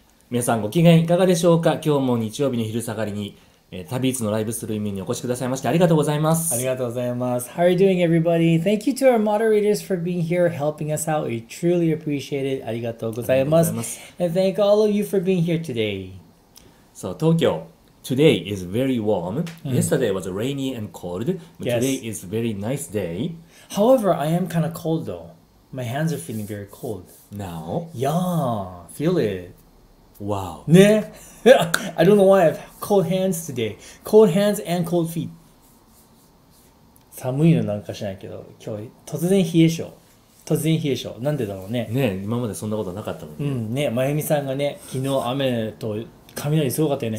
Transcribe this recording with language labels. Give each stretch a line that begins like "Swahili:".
Japanese: 皆さんご機嫌いかがでしょうか。今日も日曜日の昼下がりに、Tabi's のライブストリームにお越しくださいましてありがとうございます。ありがとうございます。
English: How are you doing everybody? Thank you to our moderators for being here helping us out. We truly appreciate it.
Japanese: ありがとうございます。
English: And thank all of you for being here today. So, Tokyo. Today is very warm. Yesterday was rainy and cold. But today is very nice day. However, I am kind of cold though. My hands are feeling very cold. Now? Yeah, feel it. Wow. Neh? I don't know why I have cold hands today. Cold hands and cold feet.
Japanese: 寒いのなんかしないけど、今日突然冷え性。突然冷え性。なんでだろうね。ね、今までそんなことなかったもんね。うん、ね、まゆみさんがね、昨日雨と雷すごかったよね。